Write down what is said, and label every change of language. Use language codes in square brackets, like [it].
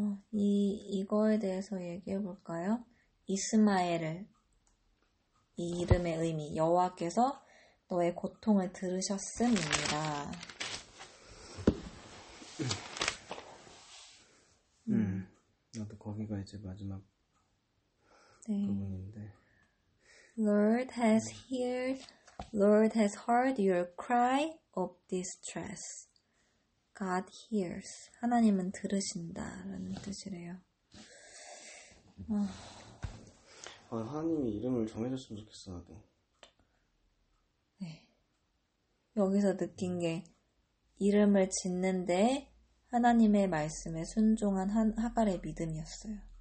[ko] 이거에 대해서 얘기해 볼까요? 이스마엘을, 이 이름의 의미, 여호와께서 너의 고통을 들으셨음이라. 나도 거기가 이제 마지막 부분인데. [en] Lord has heard, Lord has heard your cry of distress. God hears. [ko] 하나님은 들으신다라는 뜻이래요. 하나님이 이름을 정해줬으면 좋겠어, 나도. 여기서 느낀 게, 이름을 짓는데 하나님의 말씀에 순종한 하갈의 믿음이었어요.